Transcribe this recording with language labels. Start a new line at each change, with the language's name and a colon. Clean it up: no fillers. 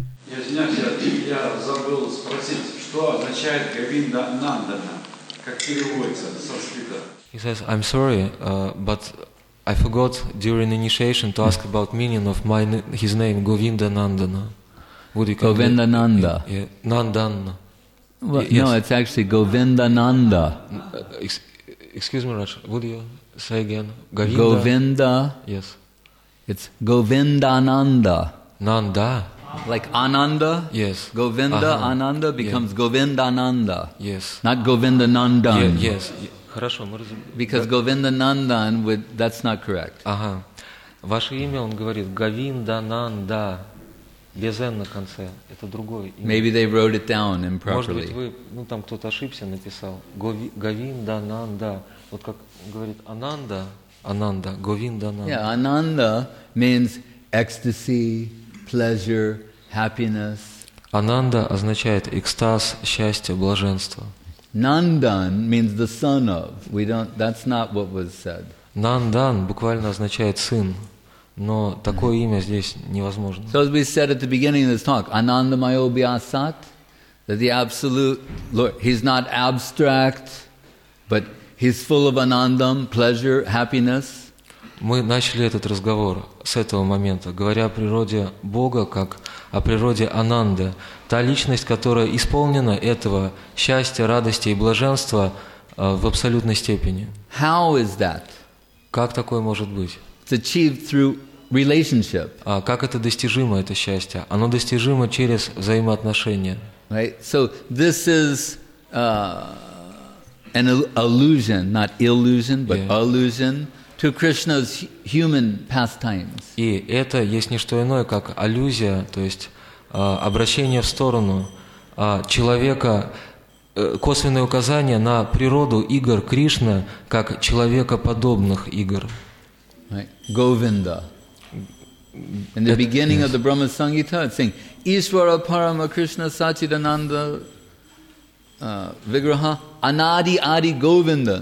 Russian: Я извиняюсь, я забыл спросить, что означает Говинда Нандана, как переводится с санскрита.
English: He says, I'm sorry, but I forgot during initiation to ask about meaning of his name Govinda Nandana. Govinda Nanda. Yeah. Nandana. Well, yes. No, it's actually Govinda Nanda. Excuse me, Raj, would you say again? Govinda. Govinda. Yes. It's Govinda Nanda. Nanda. Like Ananda, yes. Govinda uh-huh. Ananda becomes yes. Govinda Nanda, yes. Not Govinda Nandan. Yes. Yes.
Russian: Хорошо, мы
English: Because Govinda Nandan, that's not correct.
Russian: Ага. Ваше имя, он говорит, Говинда Нанда, без Н на конце. Это другое имя. Maybe they wrote it down improperly. Может быть, там кто-то ошибся написал. Говинда Нанда. Вот как говорит Ананда, Ананда, Говинда Нанда.
English: Yeah, Ананда means ecstasy. Pleasure, happiness.
Russian: Ананда означает экстаз, счастье, блаженство.
English: Нандан means the son of. We don't. That's not what was said.
Russian: Нандан буквально означает сын, но такое имя здесь невозможно.
English: So as we said at the beginning of this talk, Ananda Mayobhya Sat, that the absolute Lord, He's not abstract, but He's full of Анандам, pleasure, happiness.
Russian: Мы начали этот разговор с этого момента, говоря о природе Бога, как о природе Ананды, та личность, которая исполнена этого счастья, радости и блаженства в абсолютной степени.
English: How is that?
Russian: Как такое может быть?
English: It's achieved through relationship.
Russian: А как это достижимо, это счастье? Оно достижимо через взаимоотношения.
English: Right? So this is an allusion, not illusion, but yeah. allusion. To Krishna's human pastimes.
Russian: И это есть не что иное, как аллюзия, то есть обращение в сторону человека, косвенные указания на природу игр Кришны как человекоподобных игр.
English: Right. Govinda. In the beginning of the Brahma Sangita, it's saying,
Sanskrit: Ishvara Parama Krishna Satchidananda Vigraha Anadi Adi Govinda.